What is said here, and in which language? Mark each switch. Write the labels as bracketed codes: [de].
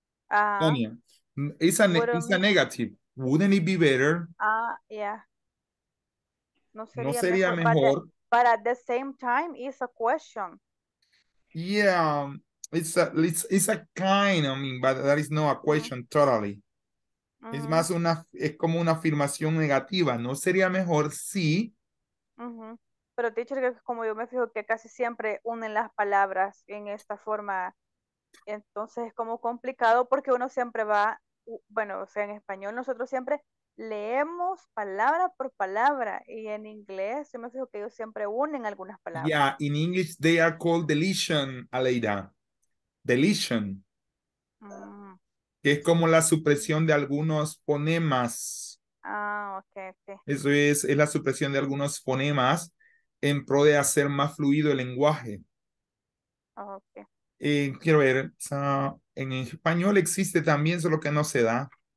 [en] Sonia. It's a negative. Wouldn't it be better? Yeah. [es] No sería mejor. [en] But at the same time, it's a question. Yeah. It's a kind, I mean, but that is not a question totally. Mm-hmm. [es] Es más una, es como una afirmación negativa. No sería mejor si. Mm-hmm. Pero te he dicho que como yo me fijo que casi siempre unen las palabras en esta forma. Entonces es como complicado porque uno siempre va, bueno, o sea, en español nosotros siempre leemos palabra por palabra. Y en inglés, yo me fijo que ellos siempre unen algunas palabras. [en] Yeah, in English, they are called deletion, Aleida. Deletion. [es] Que es como la supresión de algunos fonemas. Ah, ok, ok. Eso es la supresión de algunos fonemas en pro de hacer más fluido el lenguaje. Ok. Quiero ver, en español existe también, solo que no se da.